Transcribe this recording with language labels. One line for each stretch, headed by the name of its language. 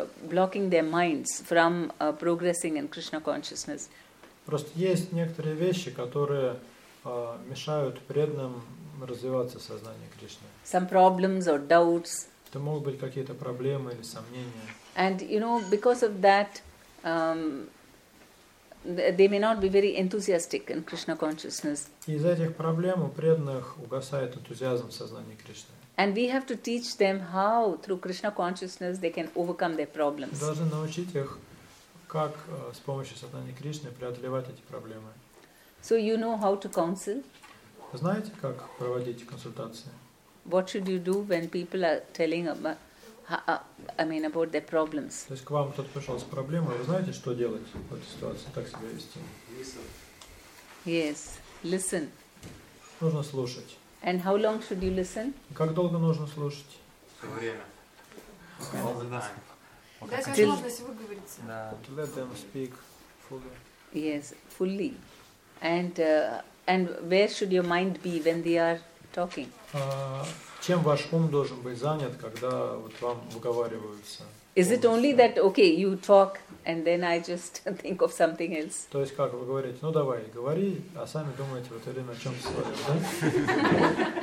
English: Blocking their minds from progressing in Krishna consciousness.
Russian: Просто есть некоторые вещи, которые мешают преданным развиваться в сознании Кришны.
English: Some problems or doubts.
Russian: Это могут быть какие-то проблемы или сомнения.
English: And you know, because of that, they may not be very enthusiastic in Krishna consciousness.
Russian: Из-за этих проблем у преданных угасает энтузиазм в сознании Кришны.
English: And we have to teach them how, through Krishna consciousness, they can overcome their problems.
Russian: Должны научить их, как с помощью сознания Кришны преодолевать эти проблемы.
English: So you know how to counsel?
Russian: Знаете, как проводить консультации?
English: What should you do when people are telling about their problems?
Russian: То есть к вам кто-то пришел с проблемой, вы знаете, что делать в этой ситуации, как себя вести?
English: Yes, listen.
Russian: Нужно слушать.
English: And how long should you listen?
Russian: Как долго нужно слушать? Все время. Дать возможность выговориться. Да.
English: To let them speak fully. Yes, fully. And where should your mind be when they are talking?
Russian: Чем ваш ум должен быть занят, когда вот вам выговариваются?
English: Is it only that okay, you talk and then I just think of something else?
Russian: То есть как вы говорите, ну давай, говори, а сами думаете в это время о чем-то своем, да?